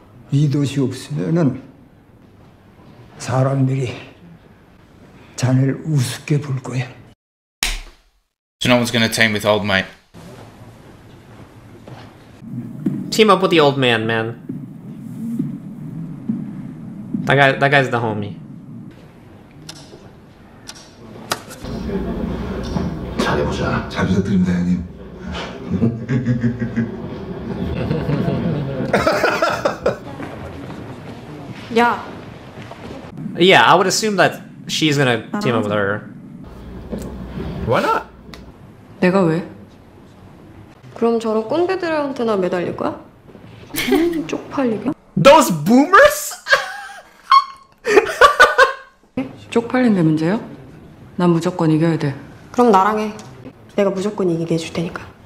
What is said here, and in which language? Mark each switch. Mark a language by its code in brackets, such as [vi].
[ko] 이 도시 없으면은 사람들이 자네를 우습게 볼 거야. [en] So no one's gonna team with old mate. Team up with the old man, man. That guy's the homie. Yeah. Yeah, I would assume that she's gonna team up with her. Why not? [ko] 내가 왜? 그럼 저런 꼰대들한테나 매달릴 거야? 쪽팔리게? [en] Those boomers? [ko] 쪽팔린 게 문제요? 난 무조건 이겨야 돼. 그럼 나랑 해. 내가 무조건 이기게 해줄 테니까.